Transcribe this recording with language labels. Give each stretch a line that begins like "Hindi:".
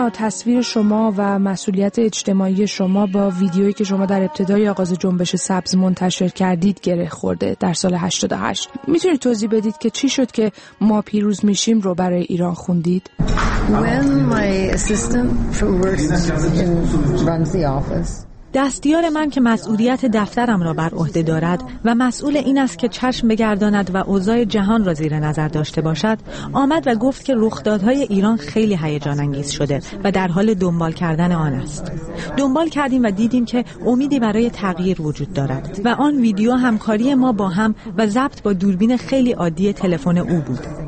Persian: تصویر شما و مسئولیت اجتماعی شما با ویدیویی که شما در ابتدای آغاز جنبش سبز منتشر کردید گره خورده در سال 88. میتونید توضیح بدید که چی شد که ما پیروز میشیم رو برای ایران خوندید؟
English: When my assistant from work runs the office.
Persian: دستیار من که مسئولیت دفترم را بر عهده دارد و مسئول این است که چشم بگرداند و اوضاع جهان را زیر نظر داشته باشد، آمد و گفت که رخدادهای ایران خیلی هیجان انگیز شده و در حال دنبال کردن آن است. دنبال کردیم و دیدیم که امیدی برای تغییر وجود دارد و آن ویدیو همکاری ما با هم و ضبط با دوربین خیلی عادی تلفن او بود.